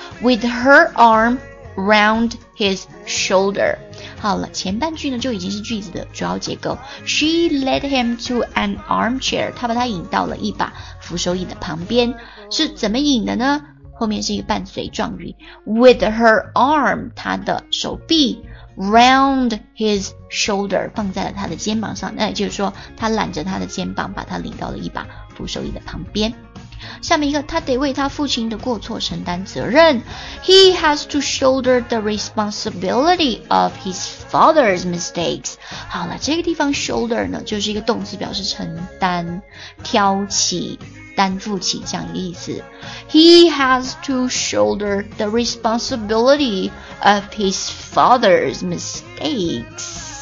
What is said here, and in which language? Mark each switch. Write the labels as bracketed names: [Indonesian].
[English] with her arm round his shoulder [Chinese] 好了前半句呢就已经是句子的主要结构 [English] She led him to an armchair [Chinese] 他把他引到了一把扶手椅的旁边是怎么引的呢后面是一个伴随状语 ， [English] with her arm， [Chinese] 她的手臂 ， [English] round his shoulder， [Chinese] 放在了他的肩膀上，那也就是说，他揽着他的肩膀，把他领到了一把扶手椅的旁边。下面一个，他得为他父亲的过错承担责任。 [English] He has to shoulder the responsibility of his father's mistakes. [Chinese] 好了，这个地方 shoulder 呢，就是一个动词，表示承担、挑起、担负起这样一个意思。 [English] He has to shoulder the responsibility of his father's mistakes.